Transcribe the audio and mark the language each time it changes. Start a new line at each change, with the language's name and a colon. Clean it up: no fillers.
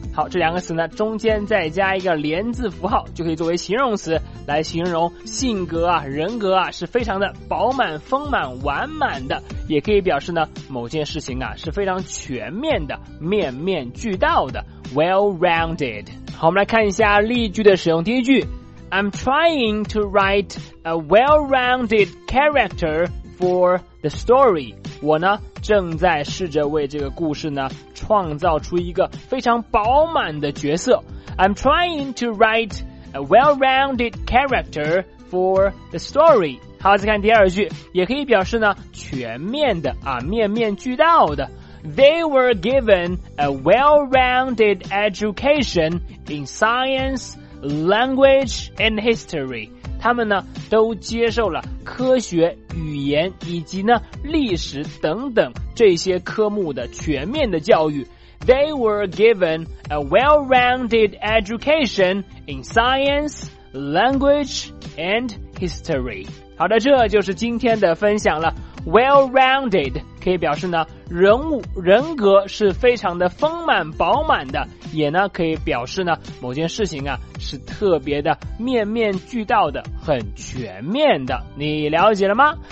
Chinese: 好，这两个词呢中间再加一个连字符号，就可以作为形容词来形容性格啊、人格啊是非常的饱满、丰满、完满的，也可以表示呢某件事情啊是非常全面的、面面俱到的 well-rounded。好，我们来看一下例句的使用。第一句，
English: I'm trying to write a well-rounded character for the story。
Chinese: 我呢正在试着为这个故事呢创造出一个非常饱满的角色。
English: I'm trying to write a well-rounded character for the story。
Chinese: 好，再看第二句，也可以表示呢全面的啊，面面俱到的。
English: They were given a well-rounded education in science, language and history。
Chinese: 他们呢都接受了科学、语言以及呢历史等等这些科目的全面的教育。
English: They were given a well-rounded education in science, language and history。
Chinese: 好的，这就是今天的分享了。well-rounded 可以表示呢人物人格是非常的丰满饱满的，也呢可以表示呢某件事情啊是特别的面面俱到的，很全面的，你了解了吗？